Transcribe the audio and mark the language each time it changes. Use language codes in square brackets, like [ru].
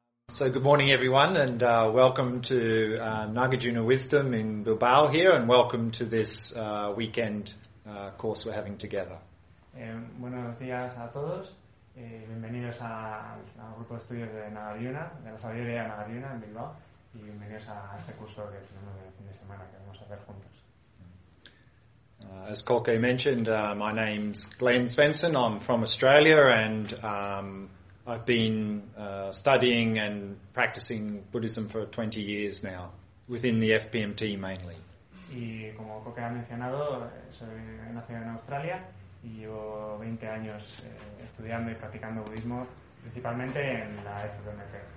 [en] So good morning, everyone, and welcome to Nagarjuna Wisdom in Bilbao here, and welcome to this weekend course we're having together. [es] Buenos días a todos. Bienvenidos al grupo de estudios de Nagarjuna, de la sabiduría de Nagarjuna en Bilbao, y bienvenidos a este curso que tenemos el fin de semana que vamos a hacer juntos. [en] As Kolke mentioned, my name's Glenn Svensson. I'm from Australia, and I've been studying and practicing Buddhism for 20 years now, within the FPMT mainly. [es] Y como Kolke ha mencionado, soy nacido en Australia y llevo 20 años estudiando y practicando budismo, principalmente en la FPMT.